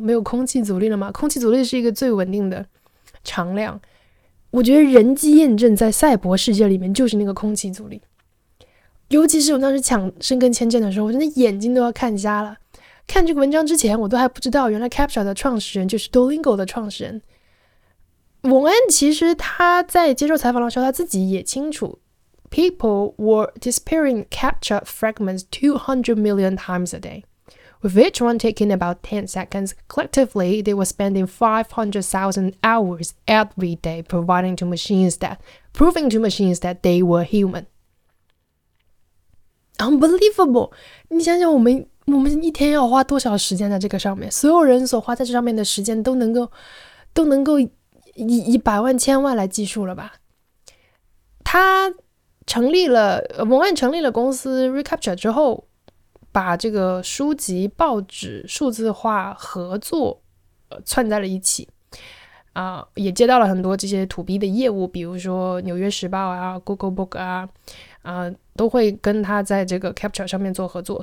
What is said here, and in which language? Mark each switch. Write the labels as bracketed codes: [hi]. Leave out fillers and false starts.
[zh] 没有空气阻力了吗？空气阻力是一个最稳定的常量，我觉得人机验证在赛博世界里面就是那个空气阻力。尤其是我当时抢申根签证的时候，我真的眼睛都要看瞎了。看这个文章之前我都还不知道原来 CAPTCHA 的创始人就是 Duolingo 的创始人。王安其实他在接受采访的时候他自己也清楚， [en] People were disappearing CAPTCHA fragments 200 million times a day, with each one taking about 10 seconds. Collectively, they were spending 500,000 hours every day proving to machines that they were human. Unbelievable! [zh] 你想想我们一天要花多少时间在这个上面，所有人所花在这上面的时间都能够以百万千万来计数了吧。他成立了蒙岸成立了公司 ReCAPTCHA 之后，把这个书籍报纸数字化合作串在了一起啊，也接到了很多这些 2B 的业务，比如说纽约时报啊， Google Book 啊都会跟他在这个 CAPTCHA 上面做合作。